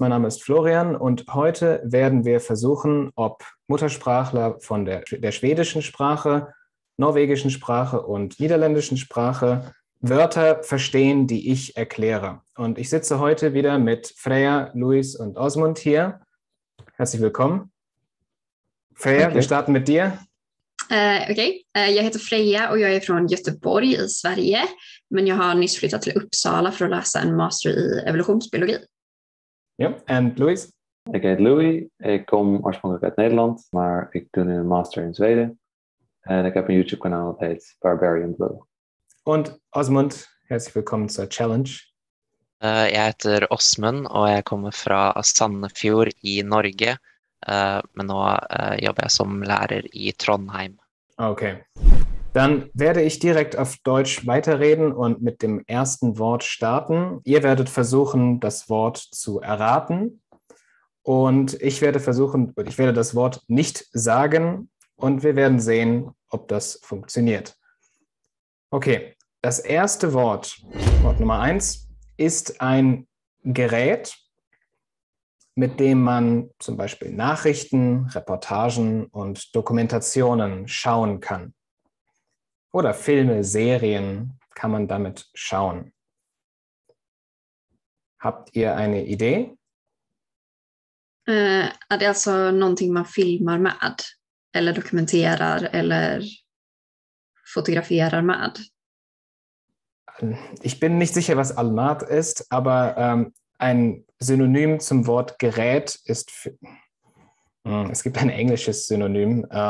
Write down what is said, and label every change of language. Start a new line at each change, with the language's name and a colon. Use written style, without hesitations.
German: Mein Name ist Florian und heute werden wir versuchen, ob Muttersprachler von der schwedischen Sprache, norwegischen Sprache und niederländischen Sprache Wörter verstehen, die ich erkläre. Und ich sitze heute wieder mit Freya, Luis und Osmund hier. Herzlich willkommen. Freya, okay. Wir starten mit dir.
Swedish: Jag heter Freja och jag är från Göteborg i Sverige, men jag har nyss flyttat till Uppsala för att läsa en master i evolutionsbiologi.
English: Ja, and Louis?
Swedish: Jag heter Louis, jag kom ursprungligen från Nederland, men jag gör nu en master i Sverige. Och jag har en YouTube-kanal som heter Barbarian Blue.
German: Och Osmund, herzlich willkommen zur Challenge.
Swedish: Jag heter Osmund och jag kommer från Sandefjord i Norge.
Norwegian: Men nå jobber jeg som lærer i Trondheim.
German: Okay. Dann werde ich direkt auf Deutsch weiterreden und mit dem ersten Wort starten. Ihr werdet versuchen, das Wort zu erraten. Und ich werde das Wort nicht sagen. Und wir werden sehen, ob das funktioniert. Okay. Das erste Wort, Wort Nummer 1, ist ein Gerät, mit dem man zum Beispiel Nachrichten, Reportagen und Dokumentationen schauen kann. Oder Filme, Serien kann man damit schauen. Habt ihr eine Idee?
Swedish: Är det alltså någonting man filmar med, eller dokumenterar, eller fotograferar med?
German: Ich bin nicht sicher, was Almat ist, aber ein Synonym zum Wort Gerät ist, es gibt ein englisches Synonym.